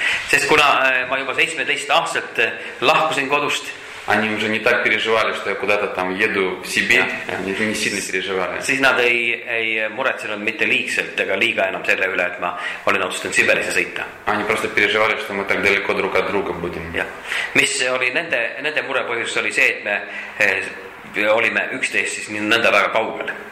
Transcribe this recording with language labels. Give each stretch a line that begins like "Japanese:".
Estonian: Sest kuna ma juba 17 aastat lahkusin kodust.
Russian: Они уже не так переживали, что я куда-то там еду в Сибирь. Они не сильно переживали.
Estonian: Siis nad ei muretsenud mitte liigselt, ega liiga enam selle üle, et ma olin otsustanud Siberisse sõita.
Russian: Они просто переживали, что мы так далеко друг от друга будем.
Estonian: Ja. Mis oli nende murepõhjus oli see, et me olime üksteist siis nõnda väga kaugel.